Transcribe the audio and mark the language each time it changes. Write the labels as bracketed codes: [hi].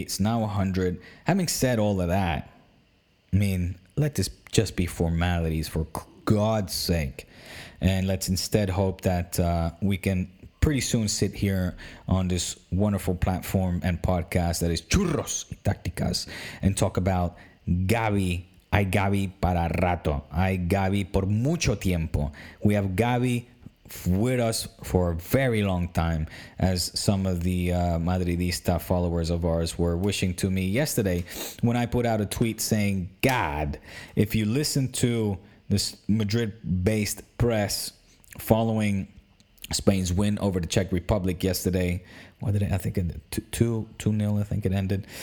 [en] It's now 100. Having said all of that, I mean, let this just be formalities for God's sake, and let's instead hope that we can pretty soon sit here on this wonderful platform and podcast that is Churros y Tácticas and talk about Gabby. [es] Hay Gabby para rato. Hay Gabby por mucho tiempo. [en] We have Gabby with us for a very long time, as some of the Madridista followers of ours were wishing to me yesterday when I put out a tweet saying, God, if you listen to this Madrid-based press following Spain's win over the Czech Republic yesterday, what did it, I think it 2-0, I think it ended.